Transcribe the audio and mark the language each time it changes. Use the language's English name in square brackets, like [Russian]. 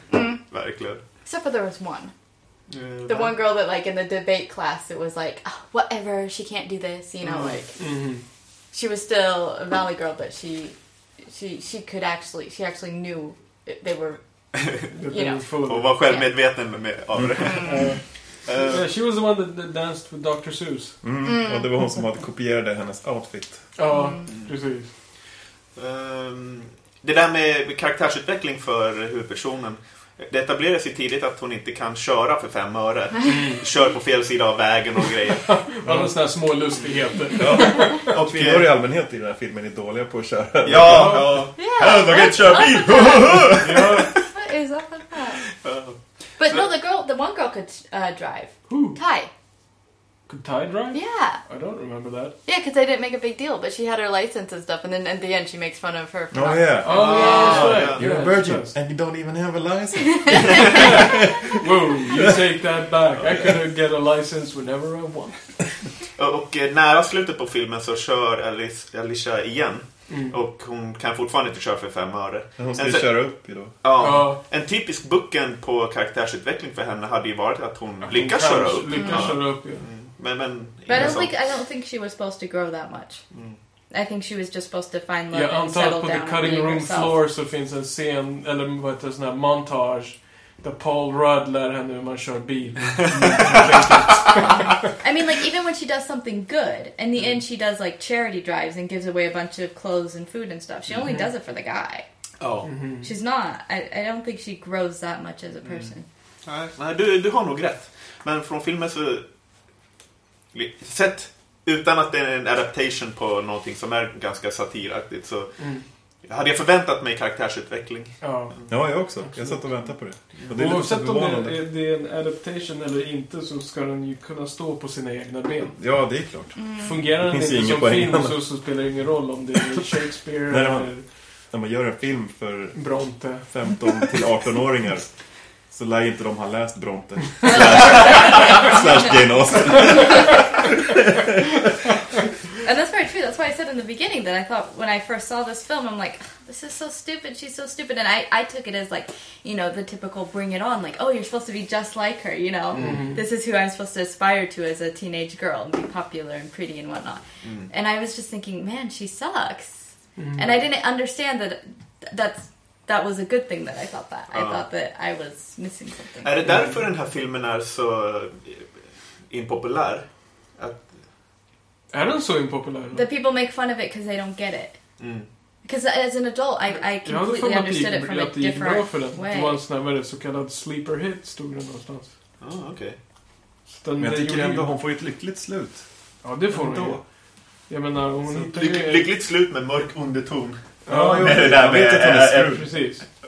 [Swedish] Mm. Verkligen. [English] Except for there was one. Yeah, the one girl that, like, in the debate class, it was like, oh, whatever, she can't do this, you know, mm-hmm. like, mm-hmm. she was still a Valley girl, but she could actually, she actually knew they were, you know. [Swedish] Och var självmedveten av det. [English] She was the one that danced with Dr. Seuss. [Swedish] Mm. Mm. Och det var hon som hade kopierat hennes outfit. Ja, mm. precis. Det där med karaktärsutveckling för huvudpersonen. Det etableras ju tidigt att hon inte kan köra för 5 öre. Kör på fel sida av vägen och grejer. Alla sådana här små lustigheter. Ja. Och kvinnor i allmänhet i den här filmen är dåliga på att köra. Ja, ja. Yeah, de kan inte köra bil. [English] What is up with that? But no, the one girl could drive. Who? Ty. Could Ty drive? Yeah. I don't remember that. Yeah, because they didn't make a big deal, but she had her license and stuff, and then in the end she makes fun of her. Oh, yeah. Oh, yeah. Oh, yeah. You're a virgin, and you don't even have a license. Whoa, you take that back. Oh, I could get a license whenever I want. [Swedish] Och nära slutet på filmen så kör Alicia igen. Mm. Och hon kan fortfarande inte köra för 5 öre. Hon ska köra upp idag. Ja, en typisk bucken på karaktärsutveckling för henne hade ju varit att hon lyckas köra upp. Lyckas köra upp. Men [English] I don't think she was supposed to grow that much. Mm. I think she was just supposed to find love and settle down. [Swedish] Ja, på [English] cutting room floor [Swedish] så finns en scen eller vad heter sån här montage. The Paul Rudd lär henne hur man kör bil. [English] I mean, like, even when she does something good, in the end she does, like, charity drives and gives away a bunch of clothes and food and stuff. She only does it for the guy. Oh. Mm-hmm. She's not. I don't think she grows that much as a person. [Swedish] Nej, du har nog rätt. Men från filmen så... Sett utan att det är en adaptation på någonting som är ganska satiraktigt så... Hade jag förväntat mig karaktärsutveckling? Ja, jag också. Absolut. Jag satt och väntade på det. Oavsett om det är en adaptation eller inte så ska den ju kunna stå på sina egna ben. Ja, det är klart. Mm. Fungerar den inte som film så spelar det ingen roll om det är Shakespeare eller... När man gör en film för Bronte. 15-18-åringar så lär inte de ha läst Bronte. Slash Jane Austen. [English] And that's very true. That's why I said in the beginning that I thought when I first saw this film, I'm like, this is so stupid. She's so stupid. And I took it as like, you know, the typical bring it on. Like, oh, you're supposed to be just like her, you know. Mm-hmm. This is who I'm supposed to aspire to as a teenage girl and be popular and pretty and whatnot. Mm-hmm. And I was just thinking, man, she sucks. Mm-hmm. And I didn't understand that was a good thing that I thought that. I thought that I was missing something. [Swedish] Är det därför den här filmen är så impopulär? Är den så impopulär? [English] The people make fun of it because they don't get it. Because as an adult, I completely understood it from a different way. [Swedish] För att det var en sån här så kallad sleeper hit stod den någonstans. Ja, okej. Men jag tycker ändå hon får ett lyckligt slut. Ja, det får hon. Jag menar, hon inte... Lyckligt slut med mörk underton. Ja, jag vet inte om det är precis.